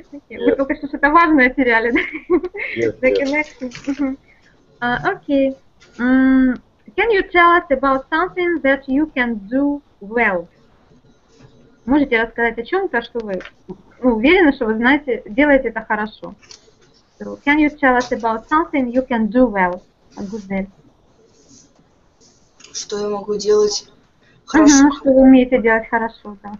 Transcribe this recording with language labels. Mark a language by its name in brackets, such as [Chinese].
[Russian] Вы только что что-то важное теряли. [English] The connection. Okay. Can you tell us about something that you can do well? [Russian] Можете рассказать о чем-то, что вы уверены, что вы знаете, делаете это хорошо? [English] So, can you tell us about something you can do well? A good day. [Russian] Что я могу делать хорошо? Что вы умеете делать хорошо, да.